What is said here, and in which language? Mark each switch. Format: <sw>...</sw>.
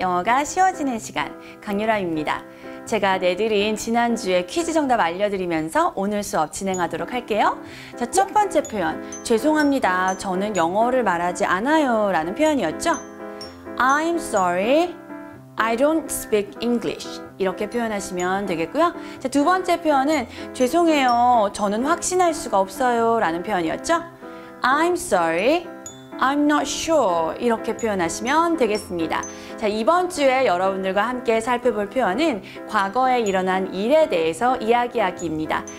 <ko>영어가 쉬워지는 시간 강유람입니다. 제가 내드린 지난주에 퀴즈 정답 알려드리면서 오늘 수업 진행하도록 할게요. 자, 첫 번째 표현, 죄송합니다. 저는 영어를 말하지 않아요 라는 표현이었죠.</ko> <en>I'm sorry, I don't speak English.</en> <ko>이렇게 표현하시면 되겠고요. 자, 두 번째 표현은 죄송해요. 저는 확신할 수가 없어요 라는 표현이었죠.</ko> <en>I'm sorry, I'm not sure.</en> <ko>이렇게 표현하시면 되겠습니다. 자, 이번 주에 여러분들과 함께 살펴볼 표현은 과거에 일어난 일에 대해서 이야기하기입니다.</ko>